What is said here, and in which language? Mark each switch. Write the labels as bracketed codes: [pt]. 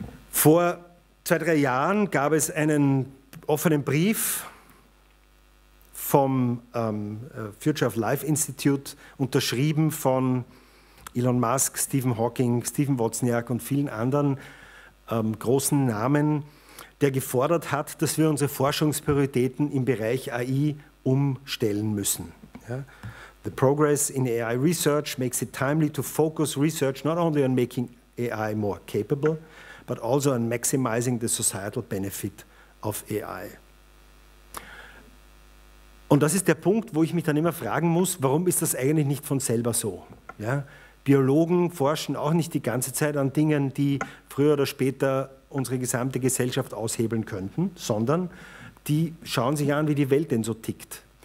[de] Vor 2-3 Jahren gab es einen offenen Brief vom Future of Life Institute, unterschrieben von Elon Musk, Stephen Hawking, Stephen Wozniak und vielen anderen großen Namen, der gefordert hat, dass wir unsere Forschungsprioritäten im Bereich AI umstellen müssen. Ja? [en] The progress in AI research makes it timely to focus research not only on making AI more capable, but also on maximizing the societal benefit of AI. [de] Und das ist der Punkt, wo ich mich dann immer fragen muss, warum ist das eigentlich nicht von selber so? Ja? Biologen forschen auch nicht die ganze Zeit an Dingen, die früher oder später unsere gesamte Gesellschaft aushebeln könnten, sondern die schauen sich an, wie die Welt denn so tickt.